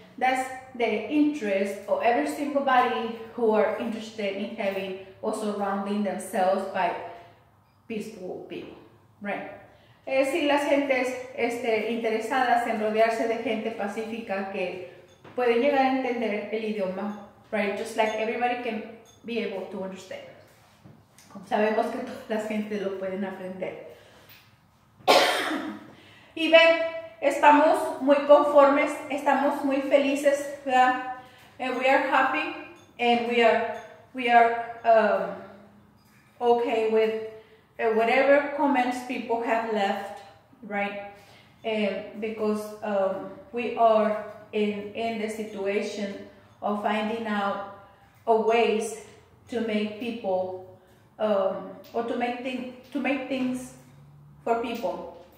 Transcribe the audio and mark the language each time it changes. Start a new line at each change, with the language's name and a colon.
English: That's the interest of every single body who are interested in having or surrounding themselves by peaceful people, right?
Spanish: Si las gentes interesadas en rodearse de gente pacífica que pueden llegar a entender el idioma, right?
English: Just like everybody can be able to understand.
Spanish: Sabemos que todas las gentes lo pueden aprender. Y ven, estamos muy conformes, estamos muy felices, ¿verdad?
English: And we are happy and we are okay with whatever comments people have left, right? Because we are in the situation of finding out a ways to make people to make things for people.